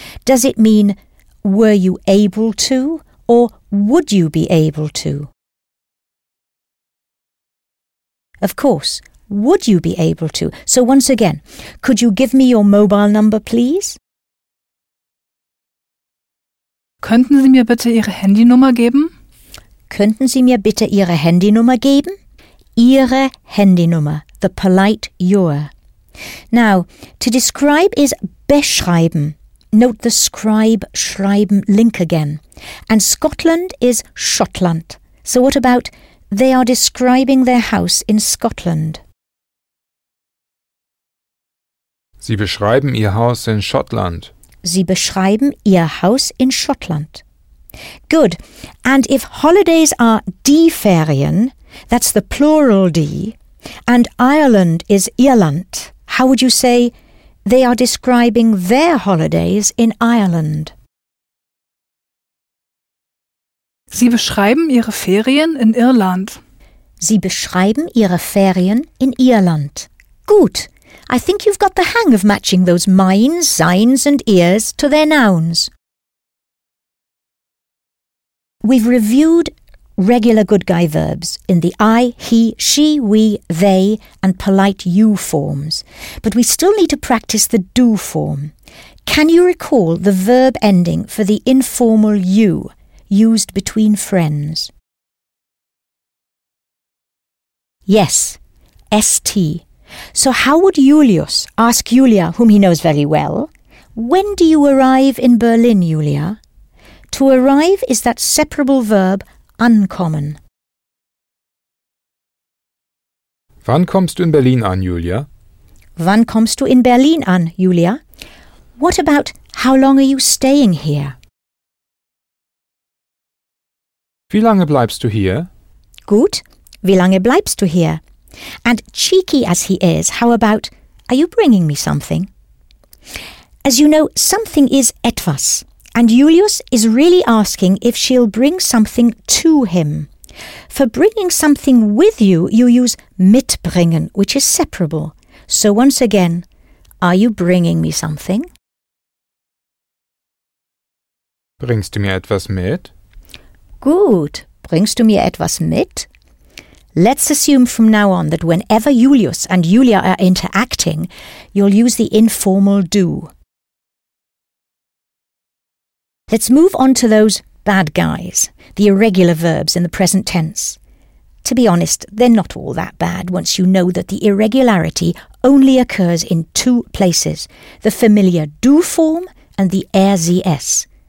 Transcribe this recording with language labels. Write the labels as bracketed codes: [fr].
[en] Does it mean were you able to or would you be able to? Of course, would you be able to? So once again, could you give me your mobile number, please? [de] Könnten Sie mir bitte Ihre Handynummer geben? Könnten Sie mir bitte Ihre Handynummer geben? Ihre Handynummer, [en] the polite your. Now, to describe is beschreiben. Note the scribe-schreiben link again. And Scotland is Schottland. So what about they are describing their house in Scotland? [de] Sie beschreiben Ihr Haus in Schottland. Sie beschreiben Ihr Haus in Schottland. [en] Good. And if holidays are die Ferien, that's the plural die, and Ireland is Irland, how would you say they are describing their holidays in Ireland? [de] Sie beschreiben Ihre Ferien in Irland. Sie beschreiben Ihre Ferien in Irland. Gut. [en] I think you've got the hang of matching those minds, seins and ears to their nouns. We've reviewed regular good guy verbs in the I, he, she, we, they and polite you forms. But we still need to practice the do form. Can you recall the verb ending for the informal you used between friends? Yes, st. So how would Julius ask Julia, whom he knows very well, when do you arrive in Berlin, Julia? To arrive is that separable verb, ankommen. [de] Wann kommst du in Berlin an, Julia? Wann kommst du in Berlin an, Julia? [en] What about how long are you staying here? [de] Wie lange bleibst du hier? Gut, wie lange bleibst du hier? [en] And cheeky as he is, how about, are you bringing me something? As you know, something is etwas, and Julius is really asking if she'll bring something to him. For bringing something with you, you use mitbringen, which is separable. So once again, are you bringing me something? [de] Bringst du mir etwas mit? Gut, bringst du mir etwas mit? [en] Let's assume from now on that whenever Julius and Julia are interacting, you'll use the informal do. Let's move on to those bad guys, the irregular verbs in the present tense. To be honest, they're not all that bad once you know that the irregularity only occurs in two places, the familiar do form and the RZS.